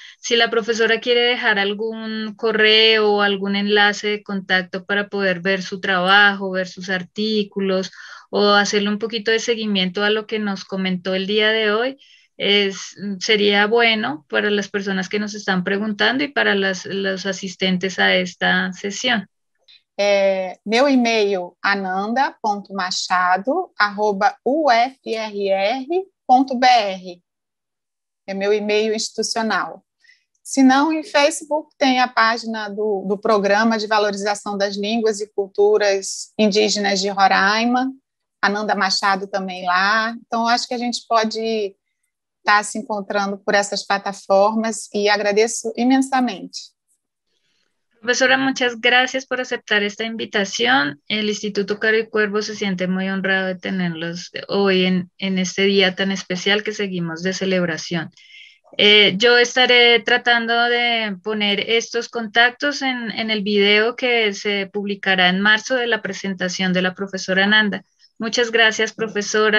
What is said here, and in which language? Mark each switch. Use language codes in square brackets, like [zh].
[es] Si la profesora quiere dejar algún correo o algún enlace de contacto para poder ver su trabajo, ver sus artículos o hacerle un poquito de seguimiento a lo que nos comentó el día de hoy, sería bueno para las personas que nos están preguntando y para los asistentes a esta sesión. [pt] Meu e-mail ananda.machado@ufrr.br é meu e-mail institucional. Se não, em Facebook tem a página do Programa de Valorização das Línguas e Culturas Indígenas de Roraima, Ananda Machado também lá. Então, acho que a gente pode estar se encontrando por essas plataformas e agradeço imensamente. [es] Profesora, muchas gracias por aceptar esta invitación. El Instituto Caro y Cuervo se siente muy honrado de tenerlos hoy en este día tan especial que seguimos de celebración. Yo estaré tratando de poner estos contactos en el video que se publicará en marzo de la presentación de la profesora Nanda. Muchas gracias, profesora.